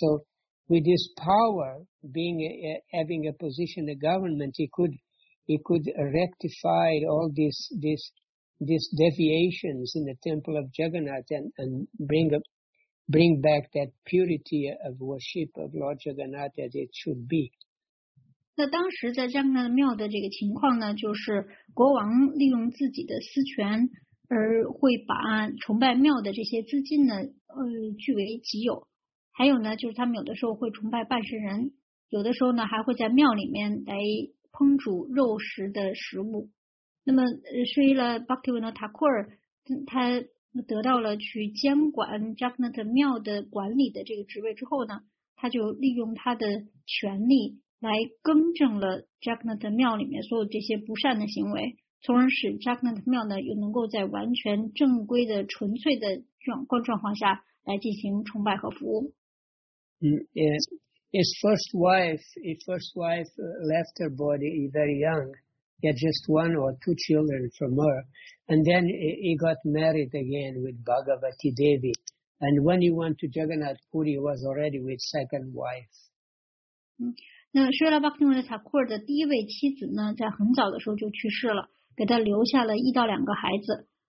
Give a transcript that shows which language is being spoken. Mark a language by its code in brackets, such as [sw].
[en] So with his power, having a position in government, he could rectify all these deviations in the temple of Jagannath and bring back that purity of worship of Lord Jagannath as it should be. [zh] 那当时在 Jagannath 庙的这个情况呢，就是国王利用自己的私权，而会把崇拜庙的这些资金呢，据为己有。还有呢，就是他们有的时候会崇拜拜神人，有的时候呢，还会在庙里面来烹煮肉食的食物。那么是为了 Bhaktivinoda Thakur 他得到了去监管 Jagannath 庙的管理的这个职位之后呢，他就利用他的权力来更正了 Jagannath 庙里面所有这些不善的行为，从而使 Jagannath 庙呢又能够在完全正规的纯粹的状况下来进行崇拜和服务。 [en] His first wife, left her body very young. He had just one or two children from her. And then he got married again with Bhagavati Devi. And when he went to Jagannath Puri, he was already with second wife. [zh] 那舍拉巴克诺的塔库尔的第一位妻子呢，在很早的时候就去世了，给他留下了一到两个孩子。